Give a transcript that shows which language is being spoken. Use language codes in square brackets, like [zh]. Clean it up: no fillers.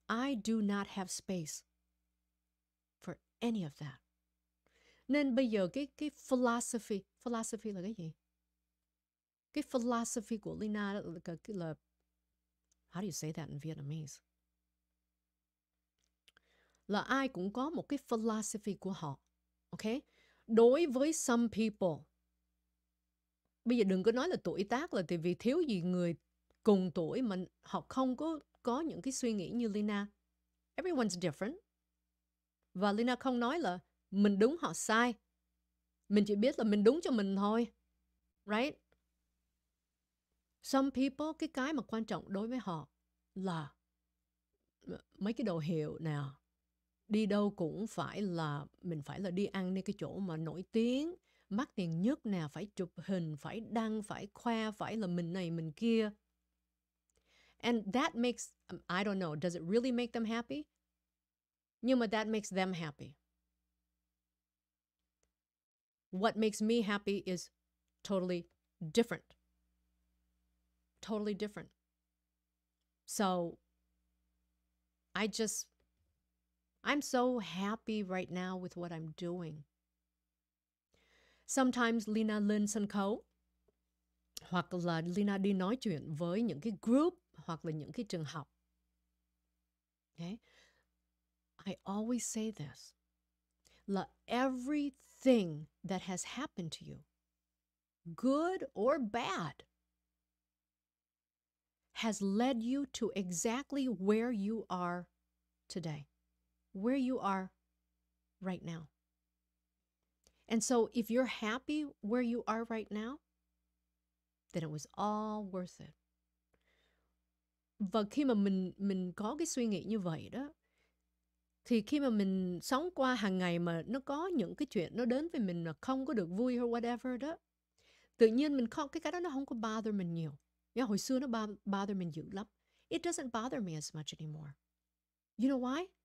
[en] I do not have space for any of that. [vi] Nên bây giờ cái philosophy là cái gì? Cái philosophy của Lina là [en] how do you say that in Vietnamese? [vi] Là ai cũng có một cái philosophy của họ. Okay? Đối với [en] some people. [vi] Bây giờ đừng có nói là tuổi tác là tại vì thiếu gì người cùng tuổi mà họ không có những cái suy nghĩ như Lina. [en] Everyone's different. [vi] Và Lina không nói là mình đúng họ sai. Mình chỉ biết là mình đúng cho mình thôi. Right? [en] Some people, [vi] cái mà quan trọng đối với họ là mấy cái đồ hiệu nào. Đi đâu cũng phải là mình phải là đi ăn nơi cái chỗ mà nổi tiếng, mắc tiền nhất nào, phải chụp hình, phải đăng, phải khoe, phải là mình này mình kia. [en] And that makes, I don't know, does it really make them happy? [vi] Nhưng mà [en] that makes them happy. What makes me happy is totally different. Totally different. So, I'm so happy right now with what I'm doing. [vi] Sometimes Lina lên sân khấu, hoặc là Lina đi nói chuyện với những cái group, hoặc là những cái trường học. [en] Okay? I always say this. Là everything that has happened to you, good or bad, has led you to exactly where you are today, where you are right now. And so if you're happy where you are right now, then it was all worth it. [vi] Và khi mà mình có cái suy nghĩ như vậy đó, thì khi mà mình sống qua hàng ngày mà nó có những cái chuyện nó đến với mình mà không có được vui or whatever đó, tự nhiên mình không, cái đó nó không có bother mình nhiều. [en] Yeah, [vi] hồi xưa nó bother mình dữ lắm. [en] It doesn't bother me as much anymore. You know why?